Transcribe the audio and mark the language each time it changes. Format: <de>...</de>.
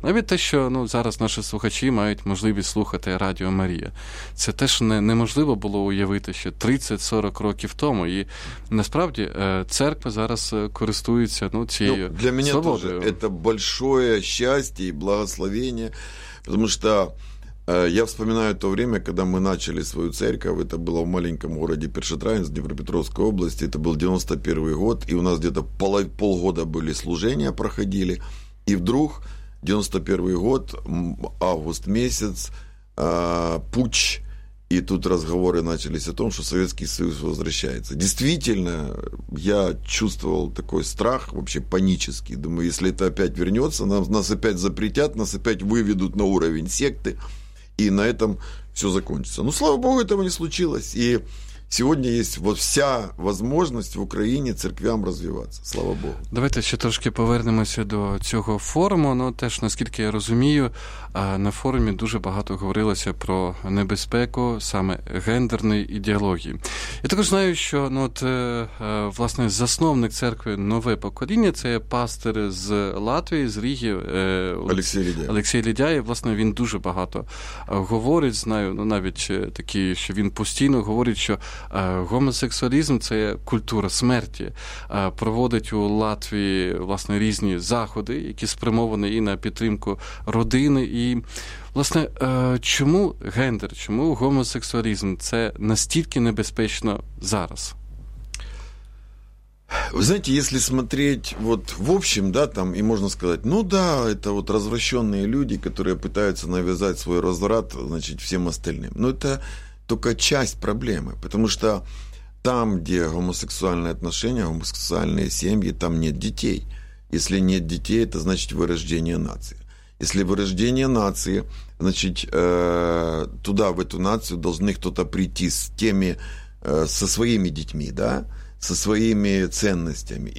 <uk>Навіть те, що ну, зараз наші слухачі мають можливість слухати Радіо Марія. Це теж неможливо було уявити ще 30-40 років тому. І насправді церква зараз користується ну, цією свободою. Для мене свободою. Теж це большое щастя і благословення.</uk> <ru>Потому что я вспоминаю то время, когда мы начали свою церковь, это было в маленьком городе Першотравенск, Днепропетровской области, это был 91 год, и у нас где-то полгода были служения, проходили, и вдруг 91 год, август месяц, путч, и тут разговоры начались о том, что Советский Союз возвращается. Действительно, я чувствовал такой страх, вообще панический. Думаю, если это опять вернется, нас опять запретят, нас опять выведут на уровень секты, и на этом все закончится. Но, слава Богу, этого не случилось. И сегодня есть вот вся возможность в Украине церквям развиваться. Слава Богу.</ru> <uk>Давайте ще трошки повернемося до цього форуму. Ну, теж, наскільки я розумію, на форумі дуже багато говорилося про небезпеку саме гендерної ідеології. Я також знаю, що ну, от, власне, засновник церкви «Нове покоління» – це пастир з Латвії, з Ріги. Олексій Лідяєв. Олексій Лідяєв. Власне, він дуже багато говорить, знаю, ну, навіть такі, що він постійно говорить, що гомосексуалізм – це культура смерті. Проводить у Латвії, власне, різні заходи, які спрямовані і на підтримку родини. І, власне, чому гендер, чому гомосексуалізм – це настільки небезпечно зараз? Ви знаєте,</uk> <ru>якщо смотреть вот в общем,</ru> <uk>да, там, і можна сказати, ну да, це вот розвращені люди, які пытаются нав'язати свій розврат, значить, всім остальним.</uk> <ru>Ну, це только часть проблемы, потому что там, где гомосексуальные отношения, гомосексуальные семьи, там нет детей. Если нет детей, это значит вырождение нации. Если вырождение нации, значит, туда, в эту нацию, должны кто-то прийти с теми, со своими детьми, да, со своими ценностями.</ru>